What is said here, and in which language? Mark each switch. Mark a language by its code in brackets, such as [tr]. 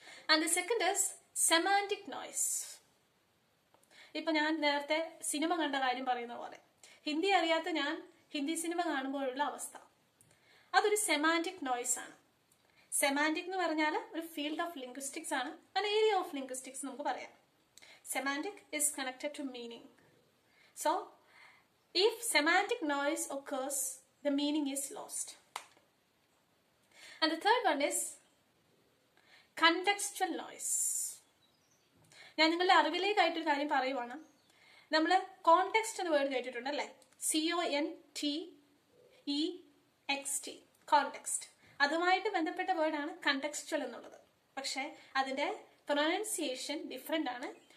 [en] And the second is semantic noise. [ml] ഇപ്പൊ ഞാൻ നേരത്തെ സിനിമ കണ്ട കാര്യം പറയുന്ന പോലെ, ഹിന്ദി അറിയാത്ത ഞാൻ ഹിന്ദി സിനിമ കാണുമ്പോഴുള്ള അവസ്ഥ, അതൊരു സെമാന്റിക് നോയ്സ് ആണ്. സെമാന്റിക് എന്ന് പറഞ്ഞാൽ ഒരു ഫീൽഡ് ഓഫ് ലിംഗ്വിസ്റ്റിക്സ് ആണ്, അല്ല ഏരിയ ഓഫ് ലിംഗ്വിസ്റ്റിക്സ് നമുക്ക് പറയാം. [en] Semantic is connected to meaning. So if semantic noise occurs, the meaning is lost. And the third one is contextual noise. [ml] ഞാൻ നിങ്ങളുടെ അറിവിലേക്ക് ആയിട്ട് ഒരു കാര്യം പറയുവാണ്. നമ്മൾ കോണ്ടെക്സ്റ്റ് എന്ന് വേർഡ് കേട്ടിട്ടുണ്ട് അല്ലെ? [en] CONTEXT, context. [ml] അതുമായിട്ട് ബന്ധപ്പെട്ട വേർഡ് ആണ് കണ്ടെക്സ്ച്വൽ എന്നുള്ളത്. പക്ഷെ അതിന്റെ പ്രൊനൗൺസിയേഷൻ ഡിഫറെന്റ് ആണ്.